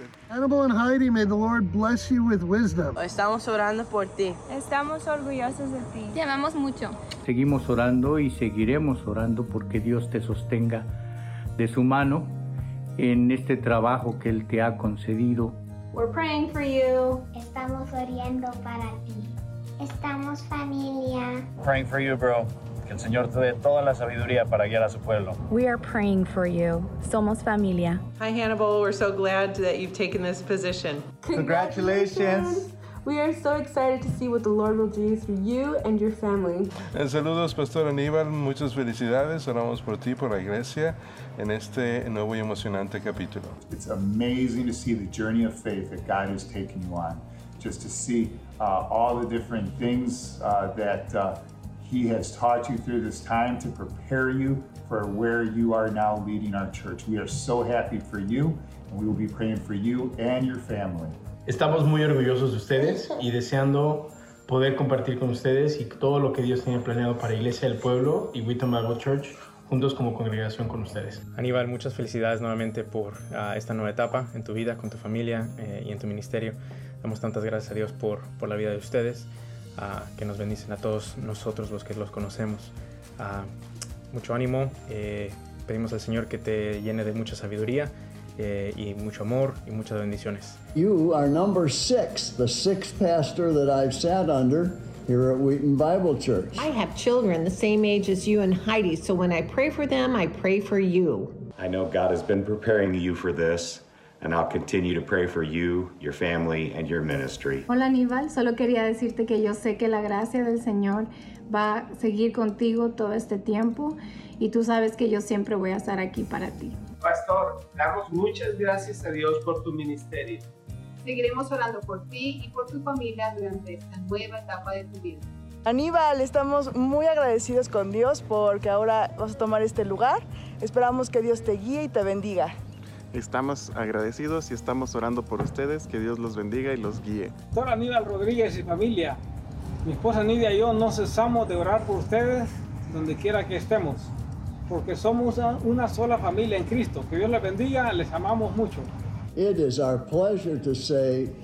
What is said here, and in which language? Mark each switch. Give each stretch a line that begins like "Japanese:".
English: Hannibal and Heidi, may the Lord bless you with wisdom.
Spanish: Estamos orando por ti. Estamos orgullosos de ti. Te amamos mucho. Seguimos orando y seguiremos orando porque Dios te sostenga de su mano en este trabajo que Él te ha concedido.
English: We're praying for you.
Spanish: Estamos orando para ti. Estamos familia.
English: Praying for you, bro.
Spanish: Que el Señor te dé toda la sabiduría para guiar a su pueblo.
English: We are praying for you.
Spanish: Somos familia.
English: Hi, Hannibal. We're so glad that you've taken this position. Congratulations. We are so excited to see what the Lord will do for you and your family.
Spanish: Saludos, Pastor Aníbal. Muchas felicidades. Oramos por ti, por la iglesia, en este nuevo y emocionante capítulo.
English: It's amazing to see the journey of faith that God has taken you on, just to see all the different things that He has taught you through this time to prepare you for where you are now leading our church. We are so happy for you, and we will be praying for you and your family.
Spanish: Estamos muy orgullosos de ustedes y deseando poder compartir con ustedes y todo lo que Dios tiene planeado para Iglesia del Pueblo y Wheaton Bible Church juntos como congregación con ustedes. Aníbal, muchas felicidades nuevamente por esta nueva etapa en tu vida, con tu familia y en tu ministerio. Damos tantas gracias a Dios por la vida de ustedes, que nos bendicen a todos nosotros los que los conocemos. Mucho ánimo, pedimos al Señor que te llene de mucha sabiduría. Y mucho amor y muchas bendiciones.
English: You are number six, the sixth pastor that I've sat under here at Wheaton Bible Church. I have children the same age as you and Heidi, so when I pray for them, I pray for you. I know God has been preparing you for this, and I'll continue to pray for you, your family, and your ministry.
Spanish: Hola, Aníbal. Solo quería decirte que yo sé que la gracia del Señor va a seguir contigo todo este tiempo, y tú sabes que yo siempre voy a estar aquí para ti. Pastor, damos muchas gracias a Dios por tu ministerio. Seguiremos orando por ti y por tu familia durante esta nueva etapa de tu vida. Aníbal, estamos muy agradecidos con Dios porque ahora vas a tomar este lugar. Esperamos que Dios te guíe y te bendiga. Estamos agradecidos y estamos orando por ustedes. Que Dios los bendiga y los guíe. Pastor Aníbal Rodríguez y familia, mi esposa Nidia y yo no cesamos de orar por ustedes donde quiera que estemos, porque somos una sola familia en Cristo. Que Dios les bendiga, les amamos mucho.
English: It is our pleasure to say